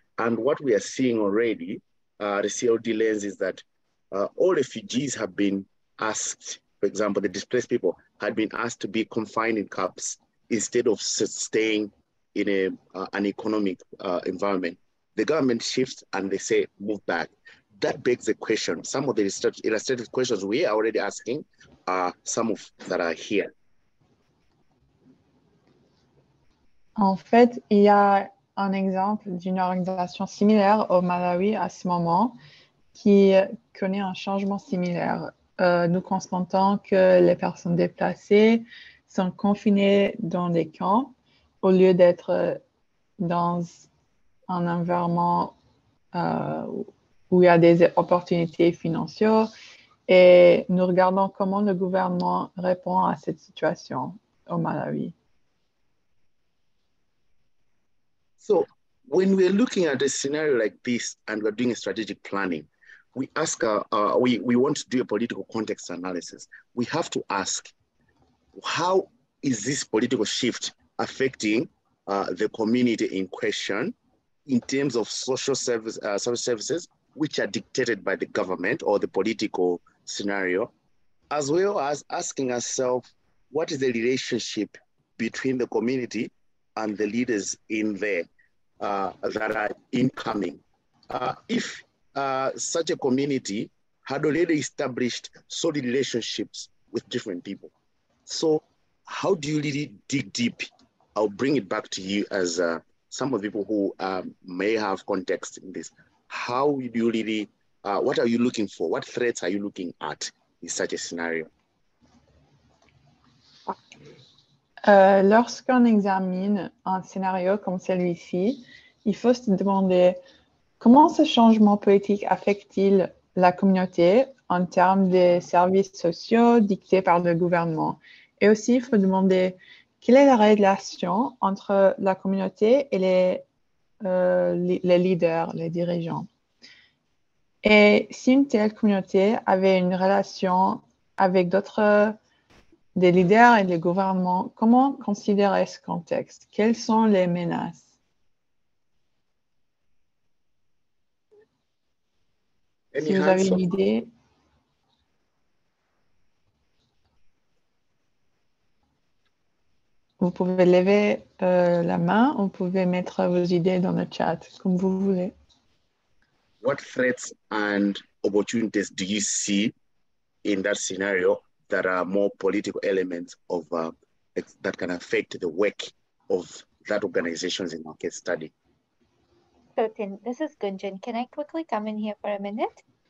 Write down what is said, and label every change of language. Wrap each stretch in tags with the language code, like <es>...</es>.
<en>And what we are seeing already, the CLD lens is that all refugees have been asked, for example, the displaced people had been asked to be confined in camps instead of staying in a, an economic environment. The government shifts and they say, move back. That begs the question. Some of the illustrative questions we are already asking are some of that are here.</en> <fr>En fait, il y a un exemple d'une organisation similaire au Malawi à ce moment qui connaît un changement similaire. Nous constatons que les personnes déplacées sont confinées dans des camps au lieu d'être dans un environnement où il y a des opportunités financières et nous regardons comment le gouvernement répond à cette situation au Malawi.</fr> <en>So when we're looking at a scenario like this and we're doing a strategic planning, we ask, we want to do a political context analysis. We have to ask, how is this political shift affecting the community in question in terms of social service, social services, which are dictated by the government or the political scenario, as well as asking ourselves, what is the relationship between the community and the leaders in there? That are incoming. If such a community had already established solid relationships with different people. So how do you really dig deep? I'll bring it back to you as some of the people who may have context in this. How do you really, what are you looking for? What threats are you looking at in such a scenario?</en> <fr>Lorsqu'on examine un scénario comme celui-ci, il faut se demander comment ce changement politique affecte-t-il la communauté en termes des services sociaux dictés par le gouvernement. Et aussi, il faut demander quelle est la relation entre la communauté et les leaders, les dirigeants. Et si une telle communauté avait une relation avec d'autres des leaders et des gouvernements, comment considérer ce contexte? Quelles sont les menaces? Any si vous avez une idée. Vous pouvez lever la main, ou vous pouvez mettre vos idées dans le chat, comme vous voulez.</fr> <en>What threats and opportunities do you see in that scenario? That are more political elements of that can affect the work of that organizations in our case study. So, Tin, this is Gunjan. Can I quickly come in here for a minute?</en>